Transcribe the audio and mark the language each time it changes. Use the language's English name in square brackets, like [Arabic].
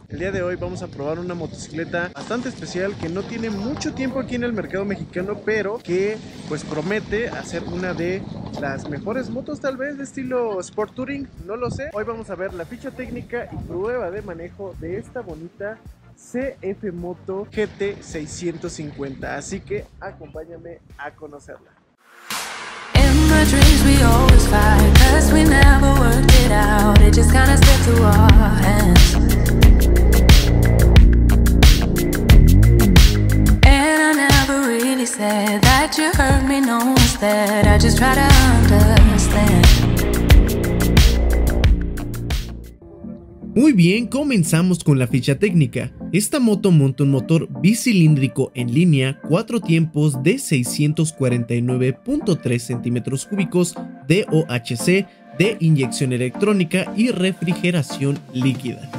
[Spanish] El día de hoy vamos a probar una motocicleta bastante especial que no tiene mucho tiempo aquí en el mercado mexicano, pero que pues promete hacer una de las mejores motos, tal vez de estilo Sport Touring, no lo sé. Hoy vamos a ver la ficha técnica y prueba de manejo de esta bonita CF Moto GT650. Así que acompáñame a conocerla. [English] We always fight, cause we never worked it out. It just kinda slipped through our hands. And I never really said that you hurt me, no one's there. I just try to understand. [Spanish] Muy bien, comenzamos con la ficha técnica. Esta moto monta un motor bicilíndrico en línea, 4 tiempos de 649.3 centímetros cúbicos DOHC de inyección electrónica y refrigeración líquida.